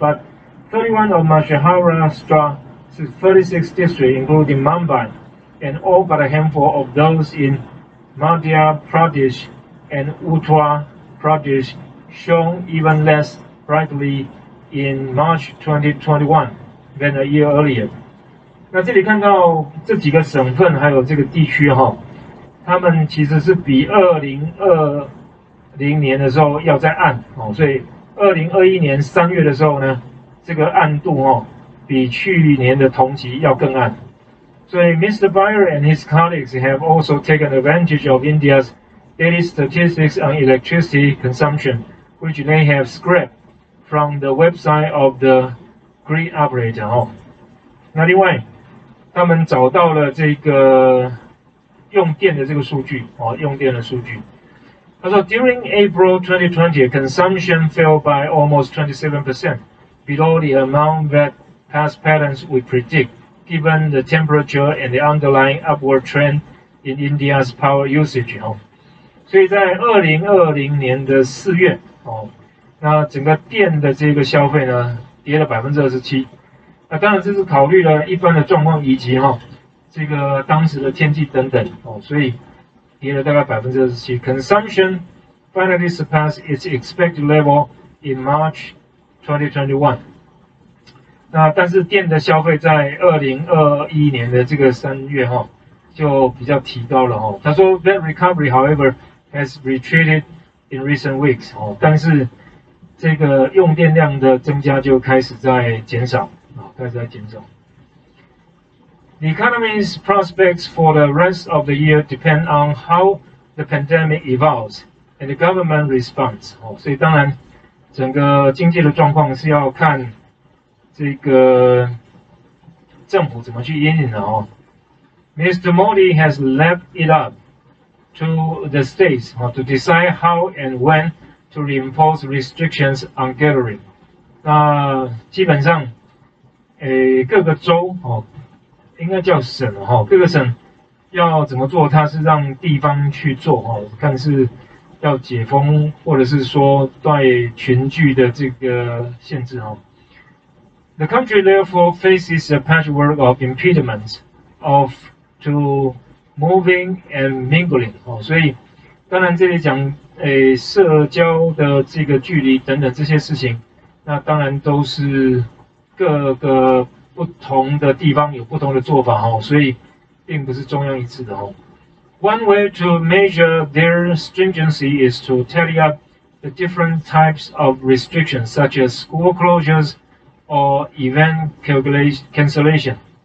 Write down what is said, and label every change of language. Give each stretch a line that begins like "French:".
English: But 31 of Maharashtra 36 districts including Mumbai and all but a handful of those in Madhya Pradesh and Uttar Pradesh shone even less brightly in March 2021 than a year earlier。
Chinese: 那这里看到这几个省份还有这个地区，他们其实是比2020年的时候要再暗，所以2021年3月的时候呢，这个暗度比去年的同期要更暗。所以 Mr.
English: Beyer and his colleagues have also taken advantage of India's daily statistics on electricity consumption, which they have scraped from the website of the grid operator。
Chinese: 那另外他们找到了这个用电的这个数据，用电的数据。他说
English: During April 2020, consumption fell by almost 27%, below the amount that past patterns would predict, given the temperature and the underlying upward trend in India's power usage。
Chinese: 所以在2020年的四月，那整个电的这个消费呢跌了 27%。那当然这是考虑了一般的状况以及这个当时的天气等等，所以跌了大概 27%。
English: Consumption finally surpassed its expected level in March 2021。
Chinese: 那但是电的消费在2021年的这个三月就比较提高了。他说
English: That recovery however has retreated in recent weeks，
Chinese: 但是这个用电量的增加就开始在减少，开始在减少。
English: The economy's prospects for the rest of the year depend on how the pandemic evolves and the government responds。
Chinese: 所以当然整个经济的状况是要看这个政府怎么去因应的。
English: Mr. Modi has left it up to the states to decide how and when to reimpose restrictions on gathering。
Chinese: 那基本上各个州应该叫省，各个省要怎么做，它是让地方去做，看是要解封或者是说对群聚的这个限制。
English: The country therefore faces a patchwork of impediments of to moving and mingling。
Chinese: 所以当然这里讲社交的这个距离等等这些事情，那当然都是各个不同的地方有不同的做法，所以并不是中央一致的。
English: One way to measure their stringency is to tally up the different types of restrictions such as school closures or event cancellation。